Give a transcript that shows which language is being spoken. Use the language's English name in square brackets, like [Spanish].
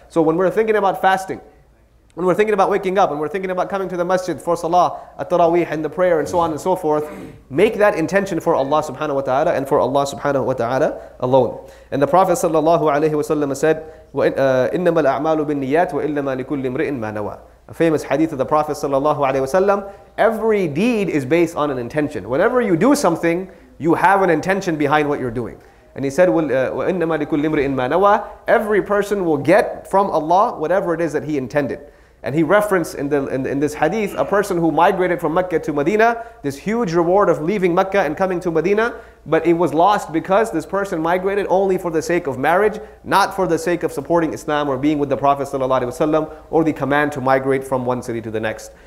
[English] So when we're thinking about fasting, when we're thinking about waking up, when we're thinking about coming to the masjid for salah, at-tarawih, and the prayer, and so on and so forth, make that intention for Allah subhanahu wa ta'ala and for Allah subhanahu wa ta'ala alone. And the Prophet sallallahu alayhi wa sallam said, [Arabic] إِنَّمَا الْأَعْمَالُ بِالنِّيَّاتِ وَإِلَّمَا لِكُلِّ امْرِئٍ مَا نَوَى. [English] A famous hadith of the Prophet sallallahu alayhi wa sallam, every deed is based on an intention. Whenever you do something, you have an intention behind what you're doing. And he said, [Arabic] وَإِنَّمَا لِكُلِّ امْرِئٍ مَا نَوَى. [English] Every person will get from Allah whatever it is that he intended. And he referenced in this hadith a person who migrated from Mecca to Medina, this huge reward of leaving Mecca and coming to Medina, but it was lost because this person migrated only for the sake of marriage, not for the sake of supporting Islam or being with the Prophet ﷺ or the command to migrate from one city to the next.